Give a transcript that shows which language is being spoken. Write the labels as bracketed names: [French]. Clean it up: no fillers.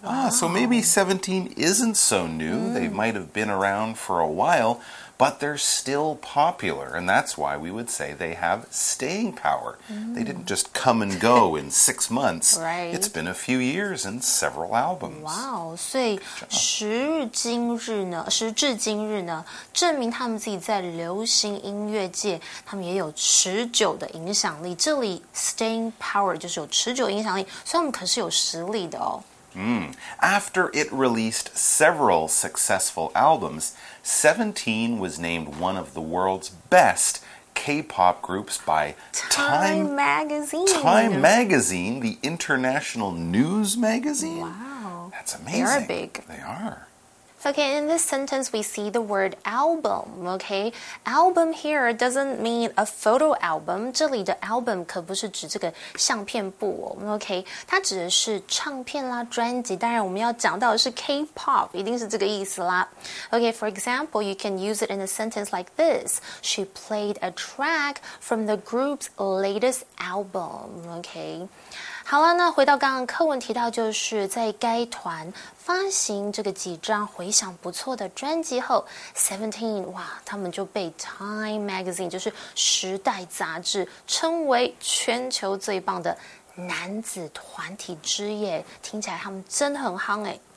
[English] So maybe 17 isn't so new.、Mm. They might have been around for a while, but they're still popular. And that's why we would say they have staying power.、Mm. They didn't just come and go in 6 months. Right. It's been a few years and several albums. Wow. [Chinese] 所以时至今日呢证明他们自己在流行音乐界他们也有持久的影响力。这里 staying power 就是有持久影响力，所以他们可是有实力的哦。 [English] After it released several successful albums, 17 was named one of the world's best K-pop groups by Time Magazine, the international news magazine. Wow. That's amazing. They are big. They are. Okay, in this sentence, we see the word album, okay? Album here doesn't mean a photo album. [Chinese] 这里的 album 可不是指这个相片簿哦 [English] okay? [Chinese] 它指的是唱片啦专辑。当然我们要讲到的是 K-pop, 一定是这个意思啦。 [English] Okay, for example, you can use it in a sentence like this. She played a track from the group's latest album, okay? [Chinese] 好啦，那回到刚刚课文提到，就是在该团发行这个几张回响不错的专辑后 ，Seventeen 哇，他们就被 Time Magazine 就是时代杂志称为全球最棒的男子团体之夜，听起来他们真的很夯哎。